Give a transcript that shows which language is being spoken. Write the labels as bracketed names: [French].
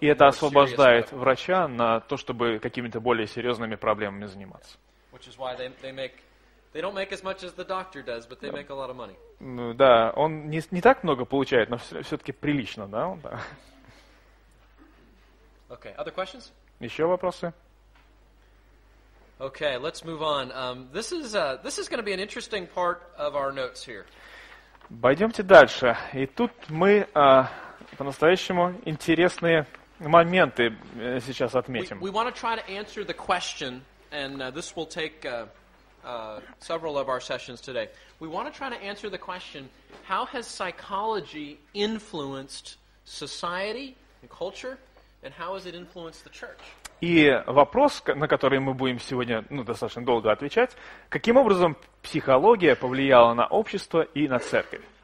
[Russian] и это освобождает врача на то, чтобы какими-то более серьезными проблемами заниматься. [English] Which is why they make, they don't make as much as the doctor does, but they make a lot of money. [Russian] Да, он не так много получает, но все-таки прилично, да, он, да. [English] Okay, other questions? [Russian] Еще вопросы? [English] Okay, let's move on. This is going to be an interesting part of our notes here. [Russian] Пойдемте дальше. И тут мы по-настоящему интересные моменты сейчас отметим. [English] We want to try to answer the question, and this will take several of our sessions today. We want to try to answer the question: how has psychology influenced society and culture, and how has it influenced the church? [Russian] И вопрос, на который мы будем сегодня достаточно долго отвечать, каким образом психология повлияла на общество и на церковь?